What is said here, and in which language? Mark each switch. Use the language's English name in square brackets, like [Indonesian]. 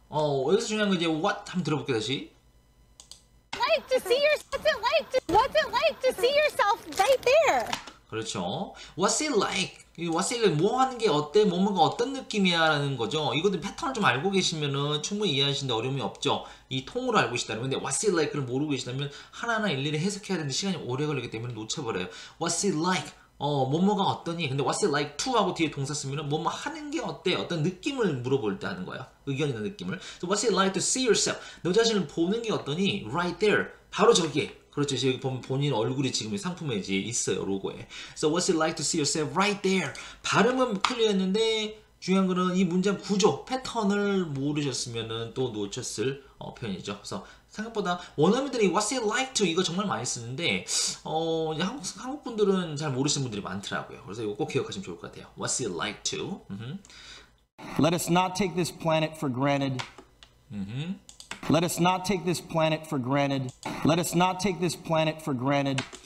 [Korean] 여기서 중요한 건 이제 what 한번 들어볼게 다시. [English] Like to see your, what's it like to see yourself right there? 그렇죠. What's it like? What's it like? [Korean] 뭐 하는 게 어때? 뭔가 어떤 느낌이야라는 거죠. 이것도 패턴을 좀 알고 계시면은 충분히 이해하시는데 어려움이 없죠. 이 통으로 알고 계시다면, 근데 What's it like를 모르고 계시다면 하나하나 일일이 해석해야 되는데 시간이 오래 걸리기 때문에 놓쳐버려요. [English] What's it like? [Korean] 뭐뭐가 어떠니? 근데 What's it like to 하고 뒤에 동사 쓰면은 뭐뭐 하는 게 어때? 어떤 느낌을 물어볼 때 하는 거예요. 의견이나 느낌을. [English] So What's it like to see yourself? [Korean] 너 자신을 보는 게 어떠니? [English] Right there. [Korean] 바로 저기에. 그렇죠. 여기 보면 본인 얼굴이 지금 상품에 있어요. 로고에. [English] So what's it like to see yourself right there? [Korean] 발음은 클리어했는데 중요한 거는 이 문장 구조, 패턴을 모르셨으면 또 놓쳤을 표현이죠. 그래서 생각보다 원어민들이 what's it like to 이거 정말 많이 쓰는데 한국 분들은 잘 모르시는 분들이 많더라고요. 그래서 이거 꼭 기억하시면 좋을 것 같아요. [English] What's it like to? Let us not take this planet for granted. Let us not take this planet for granted. Let us not take this planet for granted.